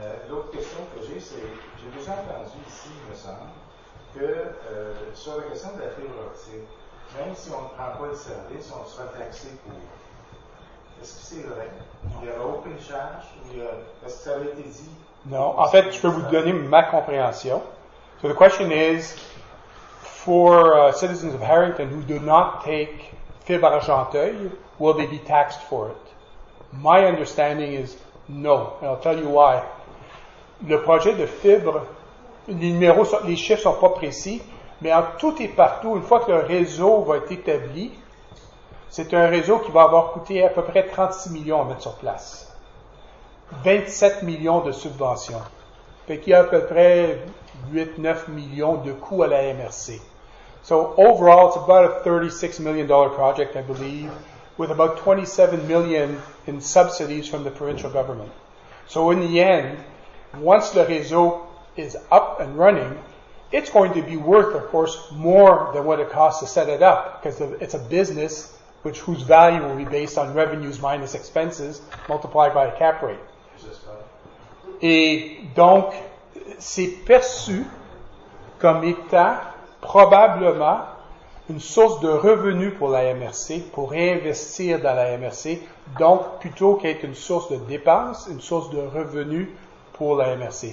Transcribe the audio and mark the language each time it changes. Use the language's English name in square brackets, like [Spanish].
[French] L'autre question que j'ai, c'est, j'ai déjà entendu ici, il me semble, que sur la question de la fibre optique, même si on ne prend pas le service, on sera taxé pour. Est-ce que c'est vrai? Il y aura aucune charge? Est-ce que ça avait été dit? Non. En fait, je peux vous donner ma compréhension. [English] So the question is, for citizens of Harrington who do not take fibre argenteuil, will they be taxed for it? My understanding is no. And I'll tell you why. [French] Le projet de fibre, les chiffres sont pas précis, Mais en tout et partout, une fois qu'un réseau va être établi, c'est un réseau qui va avoir coûté à peu près 36 millions à mettre sur place. 27 millions de subventions. Fait qu'il y a à peu près 8-9 millions de coûts à la MRC. [English] So overall, it's about a $36 million project, I believe, with about $27 million in subsidies from the provincial government. So in the end, once the réseau is up and running, it's going to be worth, of course, more than what it costs to set it up, because it's a business which whose value will be based on revenues minus expenses multiplied by a cap rate. [French] Et donc, c'est perçu comme étant probablement une source de revenus pour la MRC, pour réinvestir dans la MRC, donc plutôt qu'être une source de dépenses, une source de revenus pour la MRC.